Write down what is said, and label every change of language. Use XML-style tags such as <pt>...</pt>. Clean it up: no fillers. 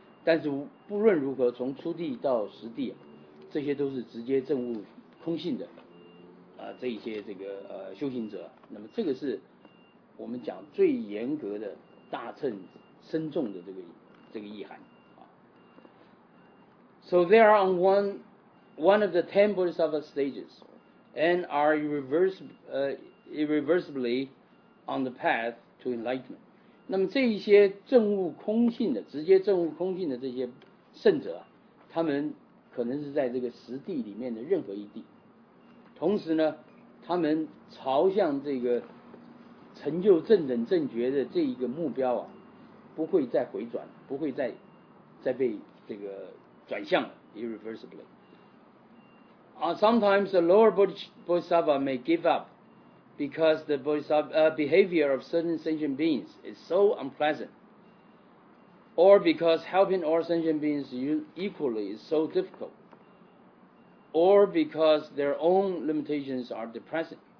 <zh>但是不论如何，从初地到十地啊，这些都是直接证悟空性的这一些这个修行者。那么这个是我们讲最严格的大乘深重的这个意涵。</zh> <en>So they are on one of the ten Bodhisattva stages, and are irreversibly on the path to enlightenment.</en> <zh>那么这一些证悟空性的、直接证悟空性的这些圣者，他们可能是在这个十地里面的任何一地，同时呢，他们朝向这个成就正等正觉的这一个目标啊，不会再回转，不会再被这个转向 irreversibly.</zh> <en>Sometimes the lower bodhisattva may give up because the behavior of certain sentient beings is so unpleasant, or because helping all sentient beings equally is so difficult, or because their own limitations are depressing.</en>